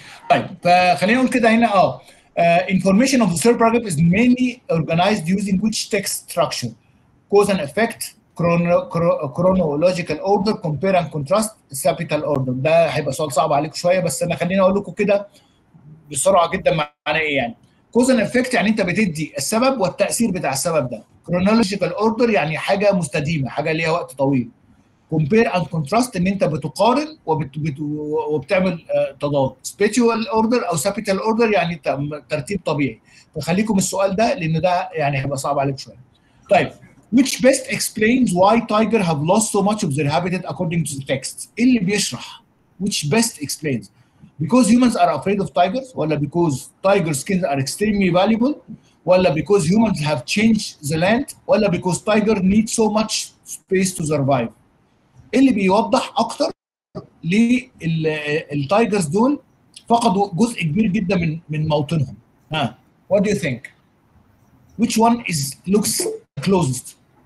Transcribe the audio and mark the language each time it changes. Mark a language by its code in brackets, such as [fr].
[ar] طيب خلينا نقول كده هنا [en] information of the third paragraph is mainly organized using which text structure, cause and effect, chronological order, compare and contrast, capital order. [ar] ده هيبقى سؤال صعب عليكم شويه بس انا خليني اقول لكم كده بسرعه جدا معناه ايه. يعني cause and effect يعني انت بتدي السبب والتاثير بتاع السبب ده. chronological order يعني حاجه مستديمه, حاجه ليها وقت طويل. compare and contrast ان انت بتقارن وبتعمل تضاد. spatial order او capital order يعني ترتيب طبيعي. فخليكم السؤال ده لان ده يعني هيبقى صعب عليك شويه. [en] طيب which best explains why tiger have lost so much of their habitat according to the text. [ar] ايه اللي بيشرح [en] which best explains, because humans are afraid of tigers, ولا because tiger skins are extremely valuable, ولا because humans have changed the land, ولا because tiger need so much space to survive. [ar] اللي بيوضح اكتر للتايجرز دول فقدوا جزء كبير جدا من موطنهم. [en] ها what do you think which one is looks closest?